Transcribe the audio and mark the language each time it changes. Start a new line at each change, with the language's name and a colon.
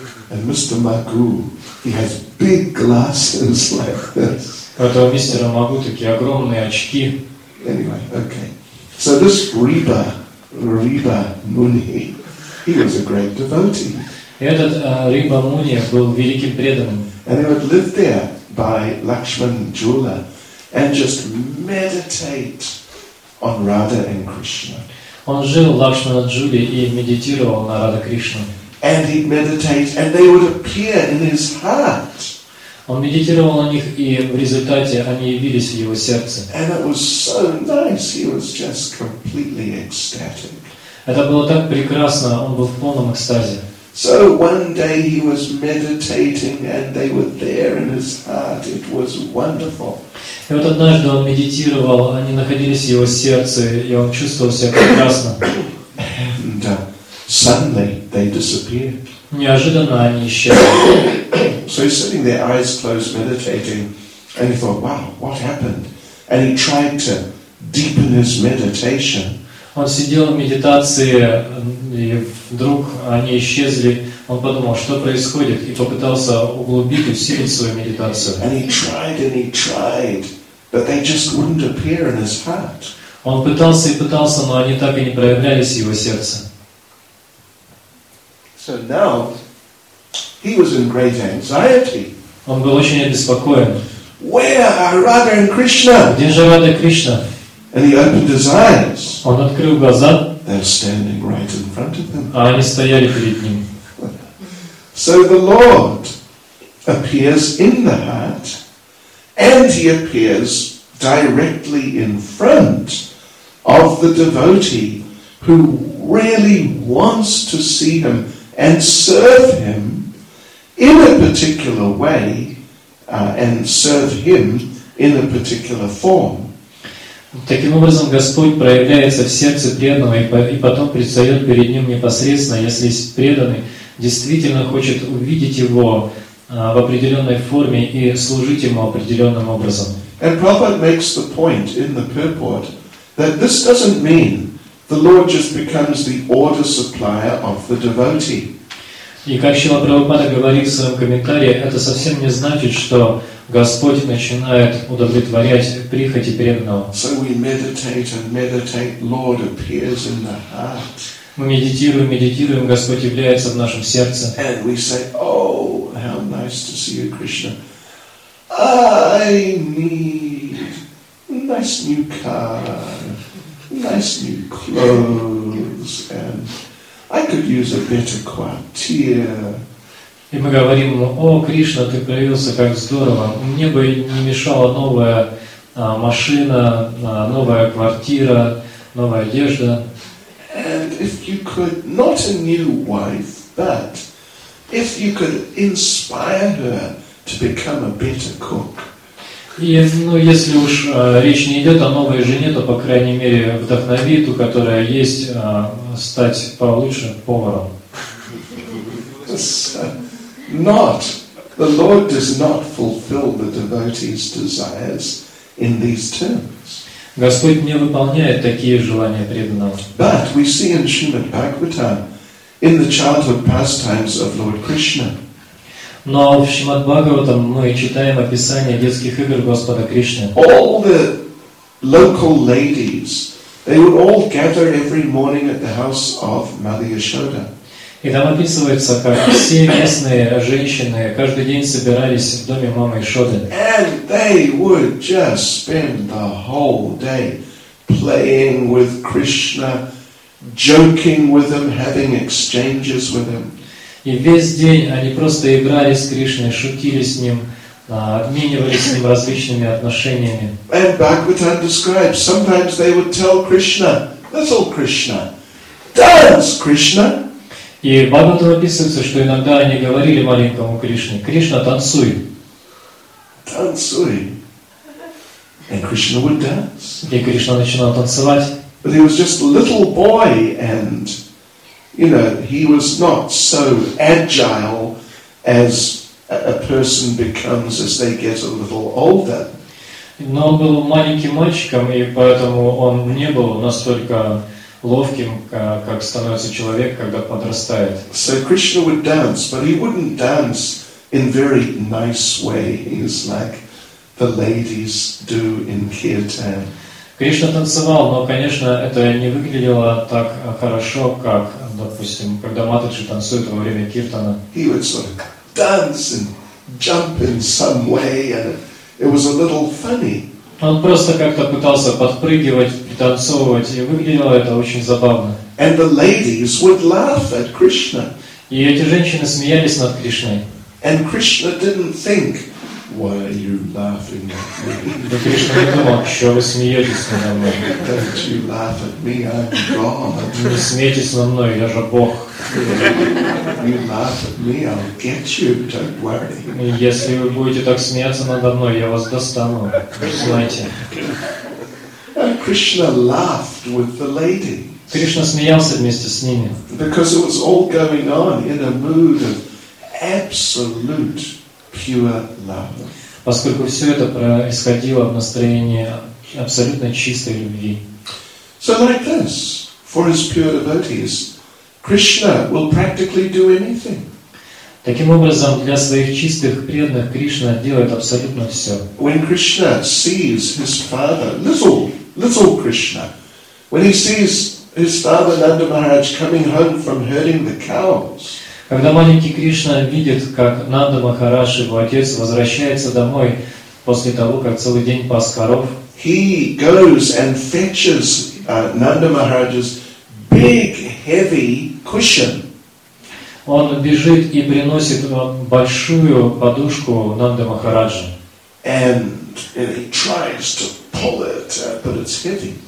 English: And Mr. Magoo, he has big glasses like this.
Russian: Поэтому мистера Магу такие огромные очки.
English: Anyway, okay. So this Риба Муни, he was a great devotee.
Russian: И этот Риба Муни был великим преданным.
English: And he would live there by Lakshman Jula and just meditate on Radha and Krishna.
Russian: Он жил в Лакшмана Джуле и медитировал на Радха Кришну.
English: And he'd meditate, and they would appear in his heart.
Russian: Он медитировал на них, и в результате они явились в его сердце.
English: And it was so nice. He was just completely ecstatic.
Russian: Это было так прекрасно. Он был в полном экстазе.
English: So one day he was meditating, and they were there in his heart. It was wonderful.
Russian: И вот однажды он медитировал, они находились в его сердце, и он чувствовал себя прекрасно.
English: And suddenly they disappeared.
Russian: Неожиданно они исчезли.
English: So he's sitting there, eyes closed, meditating, and he thought, "Wow, what happened?" And he tried to deepen his meditation.
Russian: Он сидел в медитации, и вдруг они исчезли. Он подумал, что происходит, и попытался углубить и усилить свою медитацию.
English: And he tried and he tried, but they just wouldn't appear in his heart.
Russian: Он пытался и пытался, но они так и не проявлялись в его сердце.
English: So now he was in great anxiety.
Russian: Он был очень обеспокоен.
English: Where are Radha and Krishna?
Russian: Где же Радха и Кришна?
English: And he opened his eyes.
Russian: Он открыл глаза.
English: They're standing right in front of him.
Russian: А они стояли перед ним.
English: So the Lord appears in the heart, and he appears directly in front of the devotee who really wants to see him and serve him in a particular way, and serve him in a particular form.
Russian: Таким образом, Господь проявляется в сердце преданного и потом предстает перед ним непосредственно, если преданный действительно хочет увидеть его в определенной форме и служить ему определенным образом.
English: And Prabhupada makes the point in the purport that this doesn't mean the Lord just becomes the order supplier of the devotee.
Russian: И как Шрила Прабхупада говорит в своем комментарии, это совсем не значит, что Господь начинает удовлетворять прихоти преданного.
English: So we meditate and meditate, Lord appears in the heart.
Russian: Мы медитируем, медитируем, Господь является в нашем сердце.
English: And we say, oh, how nice to see you, Krishna. I need nice new car, nice new clothes, and I could use a better quartier.
Russian: И мы говорим ему, о, Кришна, ты появился, как здорово. Мне бы не мешала новая машина, новая квартира, новая одежда.
English: And if you could, not a new wife, but if you could inspire her to become a better cook.
Russian: И, ну, если уж речь не идет о новой жене, то, по крайней мере, вдохнови ту, которая есть, стать получше поваром.
English: Not the Lord does not fulfill the devotee's desires in these terms.
Russian: Господь не выполняет такие желания преданного.
English: But we see in Srimad Bhagavatam in the childhood pastimes of Lord Krishna.
Russian: Но в Шримад Бхагаватам мы читаем описание детских игр Господа Кришны.
English: All the local ladies, they would all gather every morning at the house of Mother Yashoda.
Russian: И там описывается, как все местные женщины каждый день собирались в доме мамы Шоды.
English: And they would just spend the whole day playing with Krishna, joking with him, having exchanges with him.
Russian: И весь день они просто играли с Кришной, шутили с ним, обменивались с ним различными отношениями.
English: And Bhagavatam describes, sometimes they would tell Krishna, little Krishna, dance, Krishna.
Russian: И в Бхагаватам описывается, что иногда они говорили маленькому Кришне, Кришна, танцуй. Танцуй.
English: And Krishna would dance.
Russian: И Кришна начинал танцевать.
English: But he was just a little boy, and, you know, he was not so agile as a person becomes as they get a little older.
Russian: Но он был маленьким мальчиком, и поэтому он не был настолько ловким, как становится человек, когда подрастает.
English: So Krishna would dance, but he wouldn't dance in very nice ways, like the ladies do in Kirtan.
Russian: Кришна танцевал, но, конечно, это не выглядело так хорошо, как, допустим, когда Матаджи танцует во время Киртана.
English: He would sort of dance and jump in some way, and it was a little funny.
Russian: Он просто как-то пытался подпрыгивать, пританцовывать, и выглядело это очень забавно.
English: And the ladies would laugh at Krishna.
Russian: И эти женщины смеялись над Кришной.
English: And Krishna didn't think, why are you laughing at me?
Russian: Да Кришна не думал, что вы смеетесь надо мной.
English: Don't you laugh at me, I'm God.
Russian: Не смейтесь надо мной, я же Бог.
English: You laugh at me, I'll get you, don't worry.
Russian: Если вы будете так смеяться надо мной, я вас достану, знаете.
English: And Krishna laughed with the lady.
Russian: Кришна смеялся вместе с ними.
English: Because it was all going on in a mood of absolute pure love.
Russian: Поскольку все это происходило в настроении абсолютно чистой любви.
English: So like this, for his pure devotees, Krishna will practically do anything.
Russian: Таким образом, для своих чистых преданных Кришна делает абсолютно все.
English: When Krishna sees his father, little Krishna, when he sees his father Nanda Maharaj coming home from herding the cows.
Russian: Когда маленький Кришна видит, как Нанда Махарадж, его отец, возвращается домой после того, как целый день пас коров,
English: he goes and fetches Nanda Maharaj's big heavy cushion.
Russian: Он бежит и приносит большую подушку Нанда Махараджа.
English: And he tries to pull it, but it's heavy.